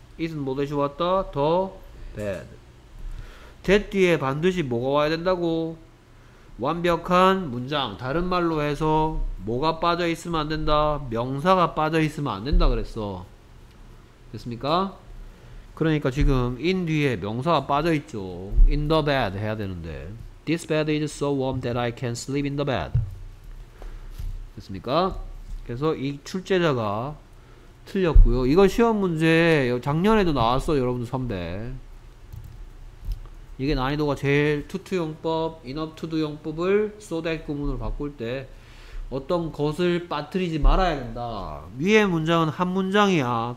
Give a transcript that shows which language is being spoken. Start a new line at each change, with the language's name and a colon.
Korean: It은 뭐 대신 왔다? The bed. That 뒤에 반드시 뭐가 와야 된다고? 완벽한 문장. 다른 말로 해서 뭐가 빠져 있으면 안 된다? 명사가 빠져 있으면 안 된다 그랬어. 됐습니까? 그러니까 지금 in 뒤에 명사가 빠져 있죠.
English: In the bed
Korean: 해야 되는데
English: This bed is so warm that I can sleep in the bed.
Korean: 됐습니까? 그래서 이 출제자가 틀렸고요. 이거 시험 문제 작년에도 나왔어. 여러분들 선배 이게 난이도가 제일 투투용법, 인업투두용법을 쏘댈 구문으로 바꿀 때 어떤 것을 빠뜨리지 말아야 된다. 위에 문장은 한 문장이야.